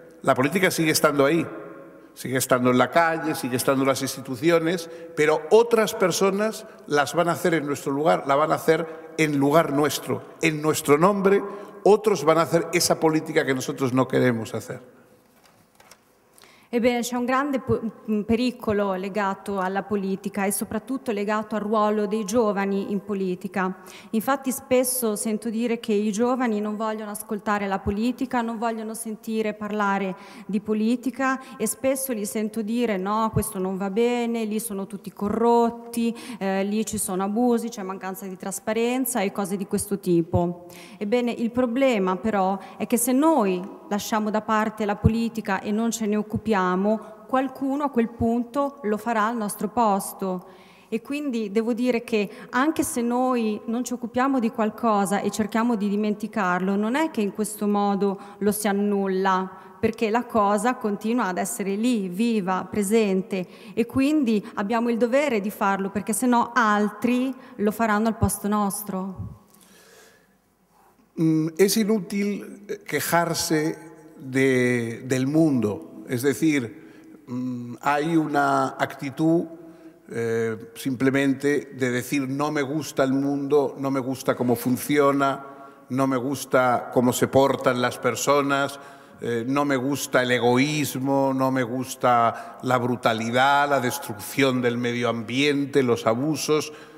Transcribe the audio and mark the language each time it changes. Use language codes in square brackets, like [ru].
[es] La política sigue estando ahí, sigue estando en la calle, sigue estando en las instituciones, pero otras personas las van a hacer en nuestro lugar, la van a hacer en lugar nuestro, en nuestro nombre, otros van a hacer esa política que nosotros no queremos hacer. [it] Ebbene, c'è un grande pericolo legato alla politica e soprattutto legato al ruolo dei giovani in politica. Infatti spesso sento dire che i giovani non vogliono ascoltare la politica, non vogliono sentire parlare di politica, e spesso li sento dire no, questo non va bene, lì sono tutti corrotti, lì ci sono abusi, c'è mancanza di trasparenza e cose di questo tipo. Ebbene, il problema però è che se noi lasciamo da parte la politica e non ce ne occupiamo, qualcuno a quel punto lo farà al nostro posto. E quindi devo dire che anche se noi non ci occupiamo di qualcosa e cerchiamo di dimenticarlo, non è che in questo modo lo si annulla, perché la cosa continua ad essere lì, viva, presente, e quindi abbiamo il dovere di farlo, perché sennò altri lo faranno al posto nostro. [es] Es inútil quejarse del mundo, es decir, hay una actitud simplemente de decir no me gusta el mundo, no me gusta cómo funciona, no me gusta cómo se portan las personas, no me gusta el egoísmo, no me gusta la brutalidad, la destrucción del medio ambiente, los abusos.